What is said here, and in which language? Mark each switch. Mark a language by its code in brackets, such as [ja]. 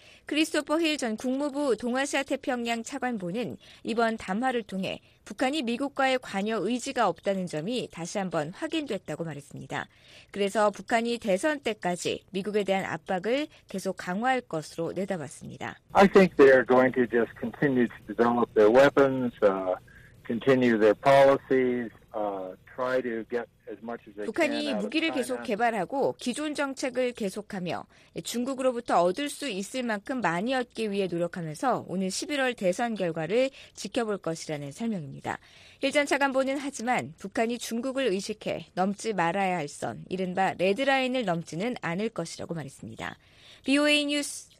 [ko] 크리스토퍼 힐 전 국무부 동아시아태평양 차관보는 이번 담화를 통해 북한이 미국과의 관여 의지가 없다는 점이 다시 한번 확인됐다고 말했습니다. 그래서 북한이 대선 때까지 미국에 대한 압박을 계속 강화할 것으로 내다봤습니다. [en] I think they are going to just continue to develop their weapons, continue their policies, try to get [ko] 북한이 무기를 계속 개발하고 기존 정책을 계속하며 중국으로부터 얻을 수 있을 만큼 많이 얻기 위해 노력하면서 오는 11월 대선 결과를 지켜볼 것이라는 설명입니다. 일전 차관보는 하지만 북한이 중국을 의식해 넘지 말아야 할 선, 이른바 레드라인을 넘지는 않을 것이라고 말했습니다. VOA 뉴스